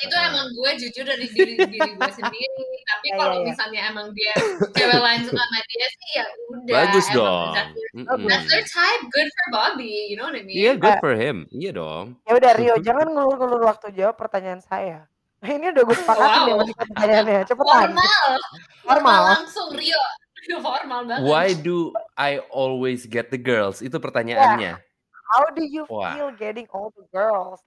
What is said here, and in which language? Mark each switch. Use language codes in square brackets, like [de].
[id] itu emang gue jujur dari diri gue sendiri. Tapi kalau misalnya emang dia cewek lain suka sama dia sih, ya udah. Bagus dong. [en] That's their type, good for Bobby, you know what I mean? [id] Iya, [en] good for him, [id] iya dong. Ya udah Rio, jangan ngelur-ngelur waktu jawab pertanyaan saya. Ini udah gue sepakatin ya, pertanyaannya. Cepetan. Formal. Langsung, Rio. Formal banget. [en] Why do I always get the girls? [id] Itu pertanyaannya. [en] Yeah. How do you feel getting all the girls?